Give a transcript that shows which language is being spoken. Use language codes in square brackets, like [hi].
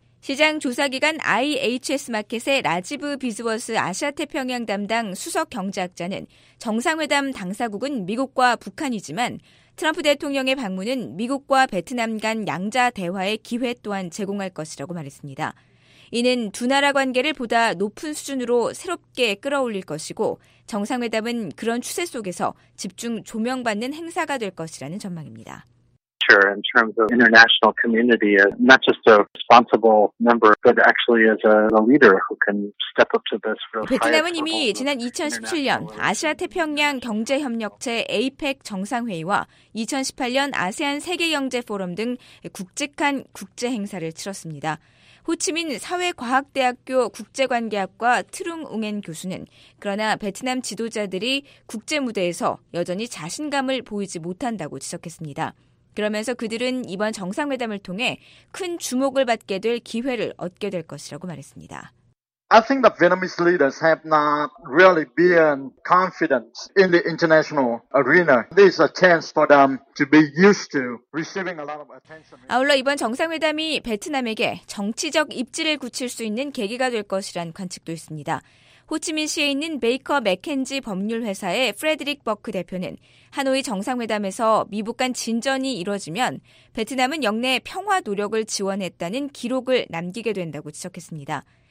[ko] 시장 조사기관 IHS 마켓의 라지브 비즈워스 아시아태평양 담당 수석 경제학자는 정상회담 당사국은 미국과 북한이지만 트럼프 대통령의 방문은 미국과 베트남 간 양자 대화의 기회 또한 제공할 것이라고 말했습니다. 이는 두 나라 관계를 보다 높은 수준으로 새롭게 끌어올릴 것이고 정상회담은 그런 추세 속에서 집중 조명받는 행사가 될 것이라는 전망입니다. [en] In terms of international community, not just a responsible member, but actually as a leader who can step up to this. [ko] 베트남은 이미 지난 2017년 아시아 태평양 경제 협력체 APEC 정상회의와 2018년 아세안 세계 경제 포럼 등 굵직한 국제 행사를 치렀습니다. 호치민 사회과학대학교 국제관계학과 트룽 웅엔 교수는 그러나 베트남 지도자들이 국제 무대에서 여전히 자신감을 보이지 못한다고 지적했습니다. 그러면서 그들은 이번 정상회담을 통해 큰 주목을 받게 될 기회를 얻게 될 것이라고 말했습니다. [en] I think the Vietnamese leaders have not really been confident in the international arena. This is a chance for them to be used to receiving a lot of attention. [ko] 아울러 이번 정상회담이 베트남에게 정치적 입지를 굳힐 수 있는 계기가 될 것이란 관측도 있습니다. 호치민시에 있는 베이커 맥켄지 법률회사의 프레드릭 버크 대표는 하노이 정상회담에서 미북 간 진전이 이뤄지면 베트남은 역내 평화 노력을 지원했다는 기록을 남기게 된다고 지적했습니다.